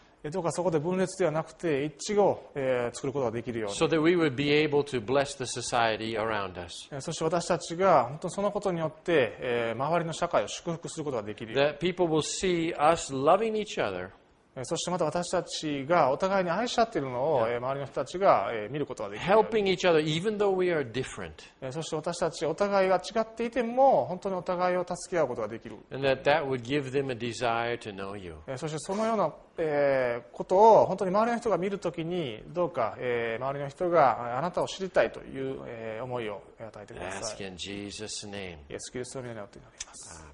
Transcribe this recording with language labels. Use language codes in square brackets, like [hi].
[ja] どうかそこで分裂ではなくて一致を作ることができるように。 [en] So that we would be able to bless the society around us. [ja] そして私たちが本当そのことによって周りの社会を祝福することができるように。 [en] That people will see us loving each other. [ja] そしてまた私たちがお互いに愛し合っているのを周りの人たちが見ることができる。 [en] Helping each other even though we are different. [ja] そして私たちお互いが違っていても本当にお互いを助け合うことができる。 [en] And that that would give them a desire to know you. [ja] そしてそのようなことを本当に周りの人が見るときにどうか周りの人があなたを知りたいという思いを与えてください。 [en] Ask in Jesus' name. [ja] イエス・キリストの名によって祈ります。